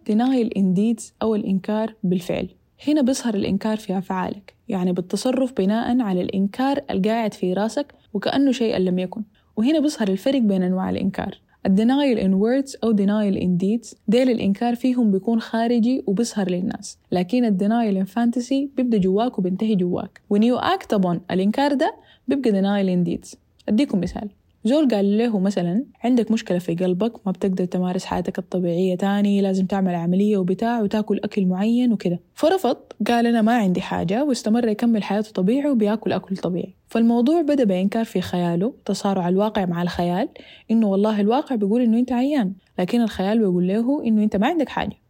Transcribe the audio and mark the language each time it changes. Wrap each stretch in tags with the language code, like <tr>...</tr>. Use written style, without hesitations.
<ar>denial in deeds أو الإنكار بالفعل. هنا بيظهر الإنكار في أفعالك، يعني بالتصرف بناء على الإنكار القاعد في راسك وكأنه شيء لم يكن. وهنا بيظهر الفرق بين أنواع الإنكار. denial in words أو denial in deeds ديل الإنكار فيهم بيكون خارجي وبيظهر للناس، لكن denial in fantasy بيبدأ جواك وبينتهي جواك.</ar> <en>when you act upon</en> <ar>الإنكار ده بيبقى</ar> <en>denial in deeds.</en> <ar>أديكم مثال، زول قال له مثلا عندك مشكلة في قلبك، ما بتقدر تمارس حياتك الطبيعية تاني، لازم تعمل عملية وبتاع وتاكل أكل معين وكده. فرفض، قال أنا ما عندي حاجة، واستمر يكمل حياته طبيعي وبياكل أكل طبيعي. فالموضوع بدأ بإنكار في خياله، تصارع الواقع مع الخيال، إنه والله الواقع بيقول إنه أنت عيان، لكن الخيال بيقول له إنه أنت ما عندك حاجة.</ar>